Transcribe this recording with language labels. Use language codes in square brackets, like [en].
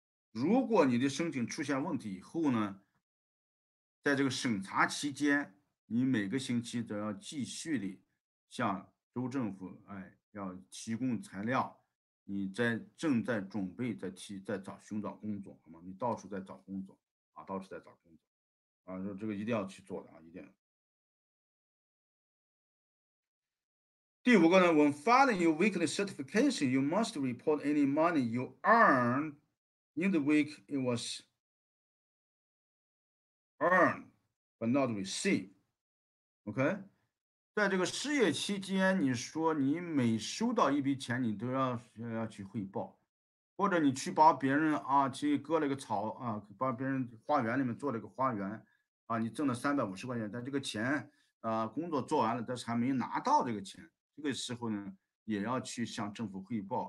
[zh] 如果你的申请出现问题以后呢？在这个审查期间，你每个星期都要继续的向州政府，哎，要提供材料。你在正在准备在找寻找工作，好吗？你到处在找工作啊，到处在找工作啊，说这个一定要去做的啊，一定要。第五个呢 [en] ，When filing your weekly certification, you must report any money you earn in the week it was. Earn, but not receive. [zh] OK, 在这个失业期间，你说你每收到一笔钱，你都要去汇报，或者你去把别人啊去割了个草啊，把别人花园里面做了个花园啊，你挣了350块钱，但这个钱啊工作做完了，但是还没拿到这个钱，这个时候呢，也要去向政府汇报。